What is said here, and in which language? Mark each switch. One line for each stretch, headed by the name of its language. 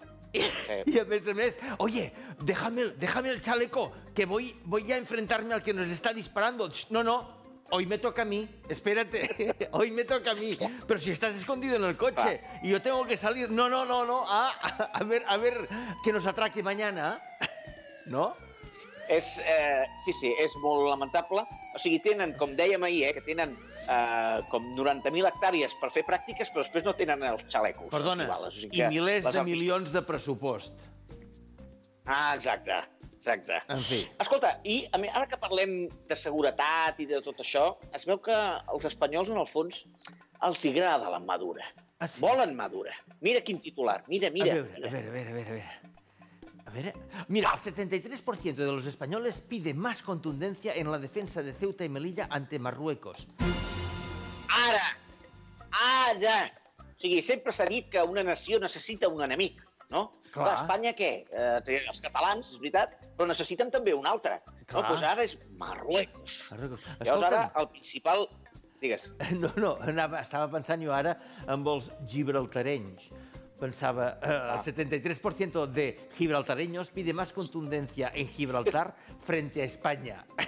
Catalan: I a més,
Spanish: oye, déjame el chaleco, que voy a enfrentarme al que nos está disparando. No, no, hoy me toca a mí, espérate. Hoy me toca a mí. Pero si estás escondido en el coche y yo tengo que salir... No. A ver, que nos atraque mañana, ¿no?
Catalan: És, sí, és molt lamentable. O sigui, tenen, com dèiem ahir, que tenen com 90.000 hectàrees per fer pràctiques, però després no tenen els xalecos. Perdona, actuals, o sigui, i milers de milions de pressupost. Ah, exacte, exacte. En fi. Escolta, i ara que parlem de seguretat i de tot això, es veu que els espanyols, en el fons, els agrada la mà dura. Ah, sí? Volen mà dura. Mira quin titular, mira. A veure.
Spanish: A ver, mira, el 73% de los españoles pide más contundencia en la defensa de Ceuta y Melilla ante Marruecos.
Catalan: Ara! Ara! O sigui, sempre s'ha dit que una nació necessita un enemic, no? Clar. Clar, Espanya què? Els catalans, és veritat, però necessiten també un altre. Clar. No? Pues ara és Marruecos. Marruecos. Llavors ara el principal... Digues. No, estava pensant jo ara amb els gibraltarenys. pensava,
Spanish: el 73% de gibraltareños pide más contundencia en Gibraltar frente a España.